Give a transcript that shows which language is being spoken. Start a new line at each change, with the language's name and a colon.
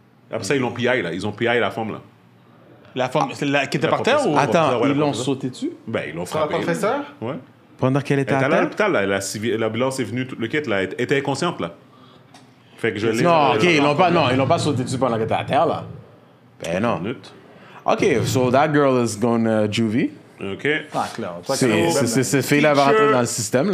French: Après ça, ils l'ont PI, là. Ils ont PI, la femme, là. La femme qui était par terre ou... Attends, ouais, ils l'ont sauté dessus? Ben, ils l'ont frappé. C'est la professeure? Ouais. Pendant qu'elle était à terre? Elle était à l'hôpital, là. L'ambulance est venue, le kit, là. Elle était inconsciente, là. Fait que je l'ai... Non, OK, ils l'ont pas sauté dessus pendant qu'elle était à terre, là. Ben non. Minute.
English: OK, so that girl is going to juvie. OK.
French: C'est fait la rentrer dans le système, là.